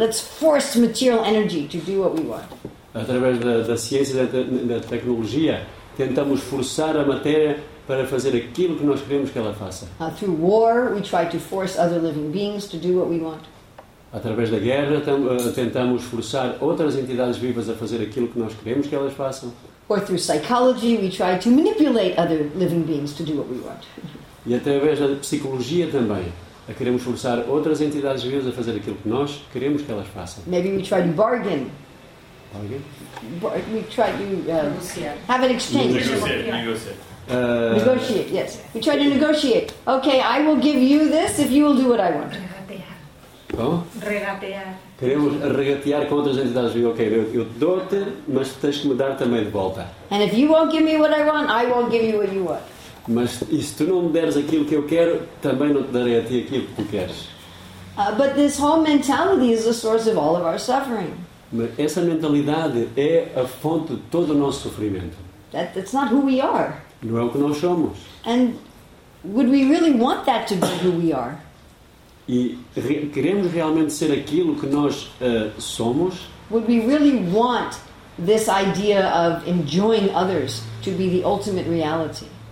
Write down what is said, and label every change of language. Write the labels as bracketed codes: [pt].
[en] Let's force material energy to do what we want. [pt] Através da ciência e da tecnologia, tentamos forçar a matéria para fazer aquilo que nós queremos que ela faça. [en] Through war, we try to force other living beings to do what we want. [pt] Através da guerra, tentamos forçar outras entidades vivas a fazer aquilo que nós queremos que elas façam. [en] Or through psychology, we try to manipulate other living beings to do what we want. [pt] E através da psicologia também, queremos forçar outras entidades vivas a fazer aquilo que nós queremos que elas façam. [en] Maybe we try to bargain. Bargain? We try to have an exchange. Negotiate, yes. We try to negotiate. Okay, I will give you this if you will do what I want. [pt] Bom? Regatear. Queremos regatear com outras entidades. Ok, eu dou-te, mas tens que me dar também de volta. [en] And if you won't give me what I want, I won't give you what you want. [pt] Mas e se tu não me deres aquilo que eu quero, também não te darei a ti aquilo que tu queres. [en] But this whole mentality is the source of all of our suffering. [pt] Mas essa mentalidade é a fonte de todo o nosso sofrimento. [en] That's not who we are. [pt] Não é o que nós somos. [en] And would we really want that to be who we are? [pt] E queremos realmente ser aquilo que nós somos? [en] Would we really want this idea of enjoying others to be the ultimate reality?